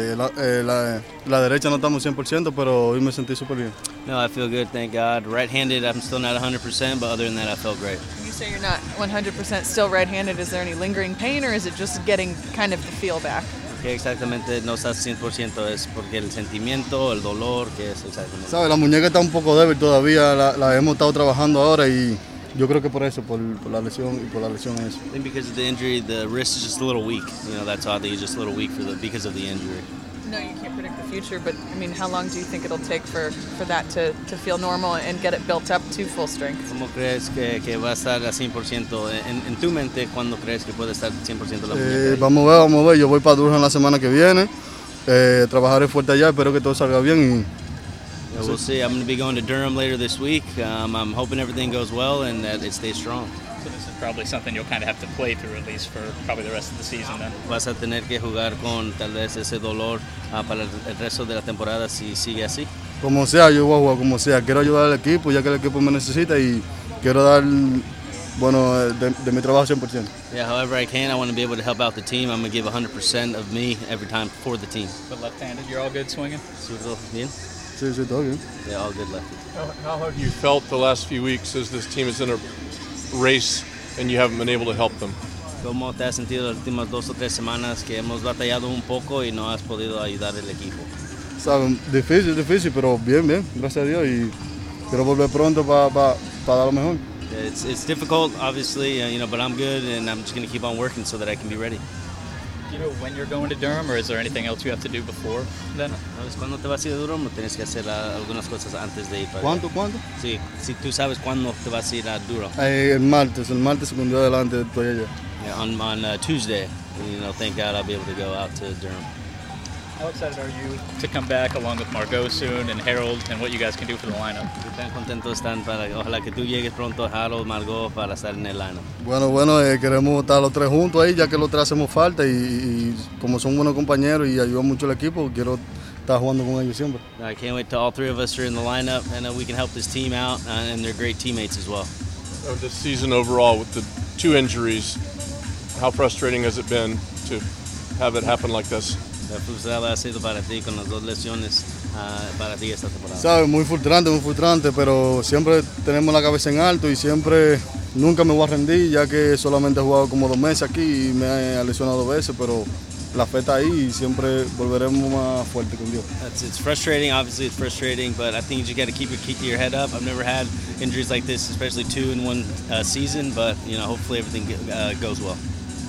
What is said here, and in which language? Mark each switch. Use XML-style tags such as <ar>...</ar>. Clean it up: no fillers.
<es>La derecha no estamos 100%, pero hoy me sentí súper bien.</es> <en>No, I feel good, thank God. Right-handed, I'm still not 100%, but other than that, I felt great. You say you're not 100% still right-handed. Is there any lingering pain, or is it just getting kind of the feel back?</en> <es>Que exactamente no estás 100% es porque el sentimiento, el dolor, que es exactamente. Sabes, la muñeca está un poco débil todavía, la hemos estado trabajando ahora y yo creo que por eso, por la lesión y por la lesión es. I think because of the injury, the wrist is just a little weak. You know, that's oddly just a little weak because of the injury.</es> <en>No, you can't predict the future, but I mean, how long do you think it'll take for that to feel normal and get it built up to full strength?</en> <es>¿Cómo crees que va a estar a 100% en tu mente cuando crees que puede estar 100% la muñeca? Vamos a ver, yo voy para Durham la semana que viene. Trabajaré fuerte allá, espero que todo salga bien.</es> <en>Yeah, we'll see. I'm going to be going to Durham later this week. I'm hoping everything goes well and that it stays strong. So this is probably something you'll kind of have to play through at least for probably the rest of the season then.</en> <es>Vas a tener que jugar con tal vez ese dolor para el resto de la temporada si sigue así. Como sea, yo voy a jugar como sea. Quiero ayudar al equipo ya que el equipo me necesita y quiero dar, bueno, de mi trabajo 100%.</es> <en>Yeah, however I can, I want to be able to help out the team. I'm going to give 100% of me every time for the team. But left-handed, you're all good swinging?</en> <es>Surdo, bien.</es> <en>Is it dog, yeah, all good left. How have you felt the last few weeks as this team is in a race and you haven't been able to help them?</en> <es>¿Cómo te has sentido las últimas dos o tres semanas que hemos batallado un poco y no has podido ayudar el equipo? ¿Sabe? Difícil, pero bien, bien, gracias a Dios y quiero volver pronto para dar lo mejor.</es> <en>It's difficult, obviously, you know, but I'm good and I'm just going to keep on working so that I can be ready. Do you know when you're going to Durham, or is there anything else you have to do before then?</en> <es>¿Sabes cuándo te vas a ir a Durham o tienes que hacer algunas cosas antes de ir para allá? ¿Cuándo? Sí, si tú sabes cuándo te vas a ir a Durham. El martes, un día adelante estoy allá. Yeah, on Tuesday, you know, thank God I'll be able to go out to Durham.</es> <en>How excited are you to come back along with Margot soon and Harold and what you guys can do for the lineup?</en> <es>Están contentos están para ojalá que tú llegues pronto Harold Margot para estar en el lineup. Bueno, queremos estar los tres juntos ahí ya que los tres hacemos falta y como son buenos compañeros y ayudan mucho al equipo quiero estar jugando con ellos siempre.</es> <en>I can't wait till all three of us are in the lineup and we can help this team out and they're great teammates as well. So this season overall with the two injuries, how frustrating has it been to have it happen like this?</en> <es>La frustrada ha sido para ti con las dos lesiones para ti esta temporada. Sabes, muy frustrante, pero siempre tenemos la cabeza en alto y siempre, nunca me voy a rendir, ya que solamente he jugado como dos meses aquí y me he lesionado dos veces, pero la fe está ahí y siempre volveremos más fuerte con Dios.</es> <en>It's frustrating, obviously it's frustrating, but I think you just got to keep your head up. I've never had injuries like this, especially two in one season, but you know, hopefully everything goes well.</en>